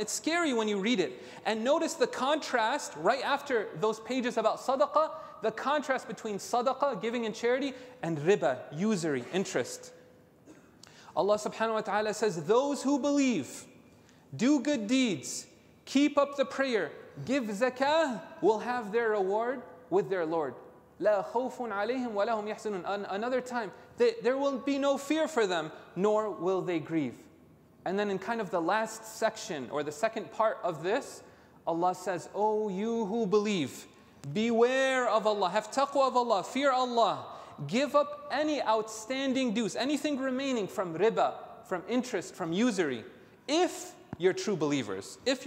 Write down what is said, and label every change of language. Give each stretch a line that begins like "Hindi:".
English: It's scary when you read it. And notice the contrast right after those pages about sadaqah, the contrast between sadaqah, giving in charity, and riba, usury, interest. Allah subhanahu wa ta'ala says, those who believe, do good deeds, keep up the prayer, give zakah, will have their reward with their Lord.
Arabic: لا خوف عليهم ولا هم يحزنون.
English: Another time, there will be no fear for them, nor will they grieve. And then in kind of the last section, or the second part of this, Allah says, O you who believe, beware of Allah, have taqwa of Allah, fear Allah. Give up any outstanding dues, anything remaining from riba, from interest, from usury, if you're true believers.